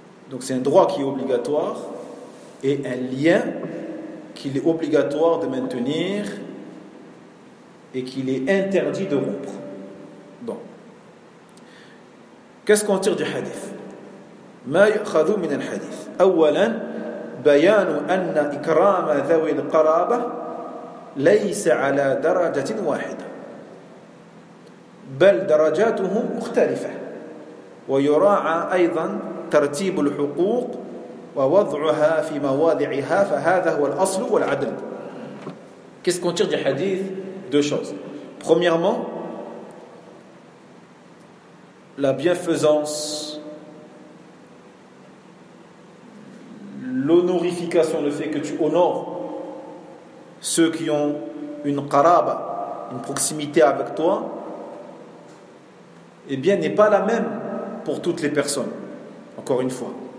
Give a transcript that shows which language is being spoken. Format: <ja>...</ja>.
<fr>Donc c'est un droit qui est obligatoire et un lien qu'il est obligatoire de maintenir et qu'il est interdit de rompre. Bon. Qu'est-ce qu'on tire du hadith ?</fr> <ar>ما يؤخذ من الحديث أولا بيان أن إكرام ذوي القرابة ليس على درجة واحدة بل درجاتهم مختلفة ويراعى أيضا ترتيب الحقوق ووضعها في مواضعها فهذا هو الأصل والعدل.</ar> <fr>Qu'est-ce qu'on tire du hadith? Deux choses. Premièrement, la bienfaisance, l'honorification, le fait que tu honores ceux qui ont une qaraba, une proximité avec toi, eh bien, n'est pas la même pour toutes les personnes. Encore une fois.</fr>